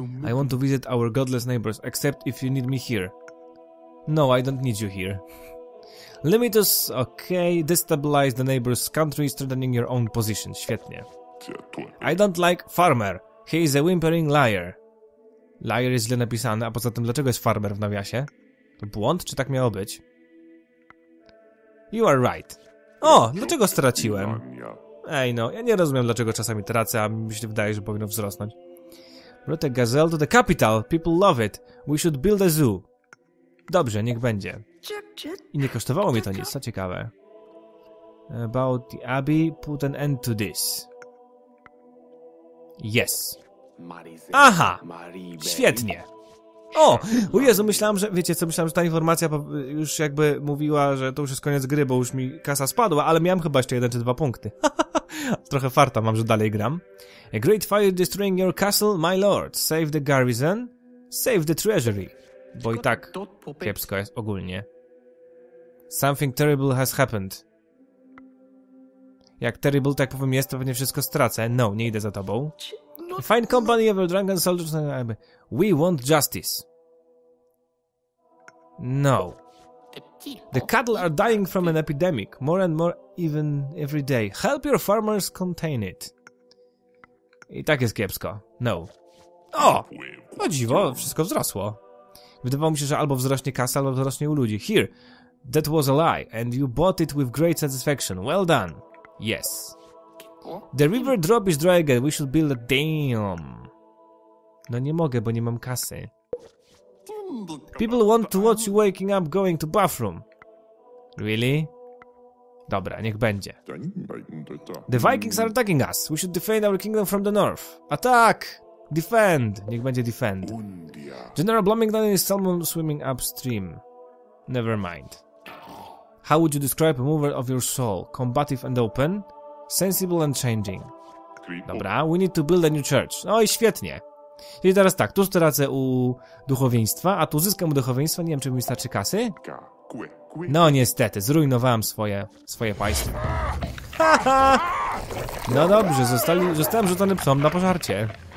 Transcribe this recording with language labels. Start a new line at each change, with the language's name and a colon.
English: I want to visit our godless neighbors, except if you need me here. No, I don't need you here. Limitus, okay. Destabilize the neighbor's country, strengthening your own position.
Polish: Świetnie.
English: I don't like farmer. He is a whimpering liar.
Polish: Liar jest źle napisany, a poza tym dlaczego jest farmer w nawiasie? To błąd, czy tak miało być?
English: You are right.
Polish: O, dlaczego straciłem? Ej no, ja nie rozumiem, dlaczego czasami tracę, a mi się wydaje, że powinno wzrosnąć.
English: Brought a gazelle to the capital. People love it. We should build a zoo.
Polish: Dobrze, niech będzie. I nie kosztowało mnie to nic, co ciekawe.
English: About the abbey, put an end to this.
Polish: Yes. Aha! Świetnie! O! U Jezu, myślałem, że... Wiecie co, myślałem, że ta informacja już jakby mówiła, że to już jest koniec gry, bo już mi kasa spadła, ale miałem chyba jeszcze jeden czy dwa punkty. Trochę farta mam, że dalej gram.
English: A great fire destroying your castle, my lord. Save the garrison. Save the treasury.
Polish: Bo i tak kiepsko jest ogólnie.
English: Something terrible has happened.
Polish: Jak terrible, tak powiem, jest, to pewnie wszystko stracę. No, nie idę za tobą.
English: Find company of a drunken soldiers. We want justice. No. The cattle are dying from an epidemic. More and more even every day. Help your farmers contain it.
Polish: I tak jest kiepsko. No. O! No dziwo, wszystko wzrosło. Wydawało mi się, że albo wzrośnie kasa, albo wzrośnie u ludzi.
English: Here. That was a lie. And you bought it with great satisfaction. Well done. Yes. The river drop is dry again. We should build a dam.
Polish: No nie mogę, bo nie mam kasy.
English: People want to watch you waking up going to bathroom. Really?
Polish: Dobra, niech będzie.
English: The Vikings are attacking us. We should defend our kingdom from the north. Attack! Defend!
Polish: Niech będzie
English: defend. General Blomington is salmon swimming upstream. Never mind. How would you describe a mover of your soul? Combative and open? Sensible and changing. Dobra, we need to build a new church.
Polish: No i świetnie. Czyli teraz tak, tu stracę u duchowieństwa, a tu zyskam u duchowieństwa, nie wiem czy mi wystarczy kasy. No niestety, zrujnowałem swoje państwo. No dobrze, zostałem rzucony psom na pożarcie.